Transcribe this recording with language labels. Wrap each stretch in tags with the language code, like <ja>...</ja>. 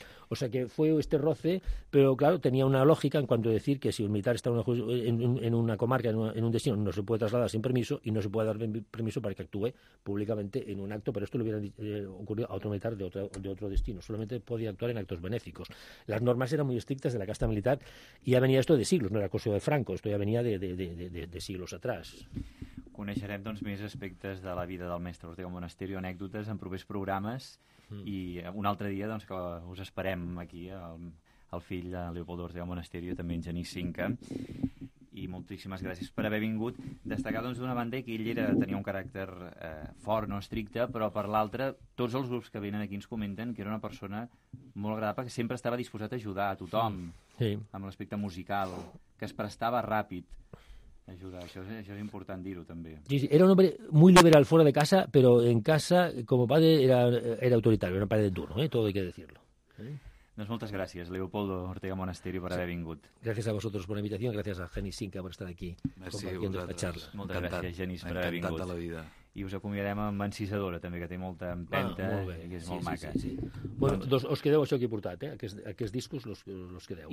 <es>O sea que fue este roce, pero claro, tenía una lógica en cuanto a decir que si un militar está en una comarca, en un destino, no se puede trasladar sin permiso y no se puede dar permiso para que actúe públicamente en un acto, pero esto le hubiera ocurrido a otro militar de otro destino. Solamente podía actuar en actos benéficos. Las normas eran muy estrictas de la casta militar y ya venía esto de siglos, no era cosa de Franco, esto ya venía de siglos atrás.</es> <ca>Coneixerem, doncs, més aspectes de la vida del mestre Ortega Monasterio, anècdotes en propers programes, i un altre dia, doncs, que us esperem aquí, el fill de Leopoldo Ortega Monasterio, també en Genís Cinca. I moltíssimes gràcies per haver vingut. Destacar, doncs, d'una banda, que ell tenia un caràcter fort, no estricte, però per l'altra, tots els grups que venen aquí ens comenten que era una persona molt agradable, que sempre estava disposat a ajudar a tothom, sí. Amb l'aspecte musical, que es prestava ràpid. Ajudar, això és important dir-ho també.</ca> <es>Sí, sí, era un home muy liberal fuera de casa, pero en casa, como padre, era autoritario, era un padre duro, todo hay que decirlo.</es> <ca>Doncs moltes gràcies, Leopoldo Ortega Monasterio, per haver vingut.</ca> <es>Gràcies a vosotros por la invitación,</es> <ca>gràcies a Genís Cinca per estar aquí.</ca> <es>Merci, compartiendo esta charla.</es> <ca>Moltes gràcies, Genís, per haver vingut. Encantat de la vida. I us acomiadem amb Encisadora, també, que té molta empenta i és molt maca. Sí. Bueno, doncs us quedeu això que he portat, aquests discos els quedeu.</ca>